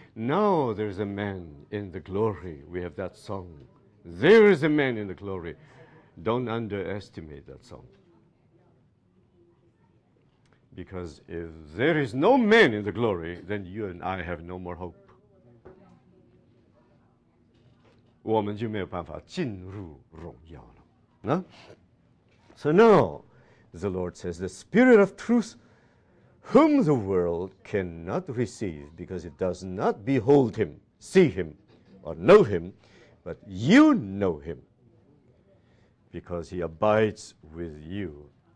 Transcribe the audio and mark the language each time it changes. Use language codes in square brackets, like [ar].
[en] Now there is a man in the glory. We have that song. There is a man in the glory. Don't underestimate that song. Because if there is no man in the glory, then you and I have no more hope. [zh] 我们就没有办法进入荣耀了。 [en] So now, the Lord says, the Spirit of Truth, whom the world cannot receive, because it does not behold him, see him, or know him, but you know him, because he abides with you.